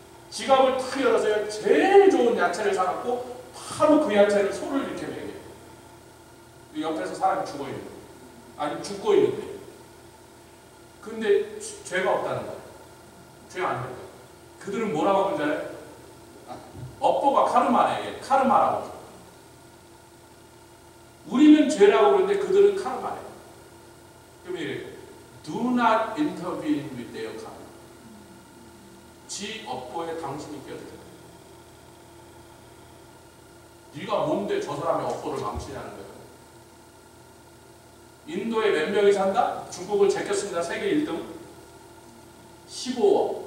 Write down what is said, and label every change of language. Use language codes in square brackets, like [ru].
[ko] 지갑을 탁 열어서 제일 좋은 야채를 사갖고 바로 그 야채를 소를 이렇게 매게 옆에서 사람이 죽어 있는 아니 죽고 있는데 근데 죄가 없다는 거예요. 죄 안 된다. 그들은 뭐라고 하는지 알아요? 업보가 카르마네. 카르마라고. 우리는 죄라고 그러는데 그들은 카르마네. 그럼 이래요. [en] Do not intervene with their karma. [ko] 지 업보에 당신이 끼어들어. 네가 뭔데 저 사람의 업보를 망치냐는 거야. 인도에 몇 명이 산다? 중국을 제꼈습니다. 세계 1등. 15억.